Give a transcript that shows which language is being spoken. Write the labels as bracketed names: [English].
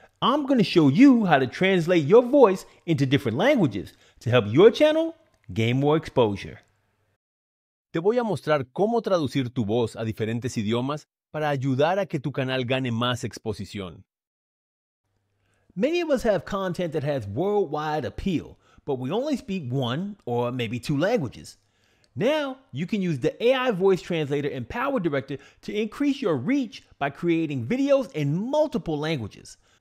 [English] I'm going to show you how to translate your voice into different languages to help your channel gain more exposure. [Spanish] Te voy a mostrar cómo traducir tu voz a diferentes idiomas para ayudar a que tu canal gane más exposición. [English] Many of us have content that has worldwide appeal, but we only speak one or maybe two languages. Now, you can use the AI Voice Translator and PowerDirector to increase your reach by creating videos in multiple languages.